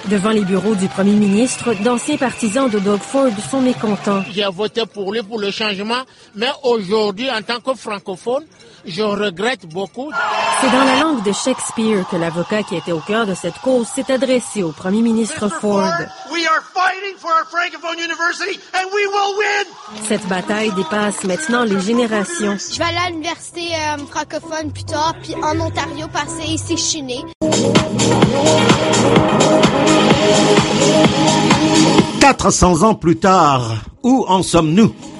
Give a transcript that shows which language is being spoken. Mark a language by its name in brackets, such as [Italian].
[French] Devant les bureaux du premier ministre, d'anciens partisans de Doug Ford sont mécontents. J'ai voté pour lui pour le changement, mais aujourd'hui, en tant que francophone, je regrette beaucoup. C'est dans la langue de Shakespeare que l'avocat qui était au cœur de cette cause s'est adressé au premier ministre Ford. [English] We are fighting for our francophone university and we will win! [French] Cette bataille dépasse maintenant les générations. Je vais aller à l'université francophone plus tard, puis en Ontario passer ici chez nous. Quatre cents ans plus tard, où en sommes-nous?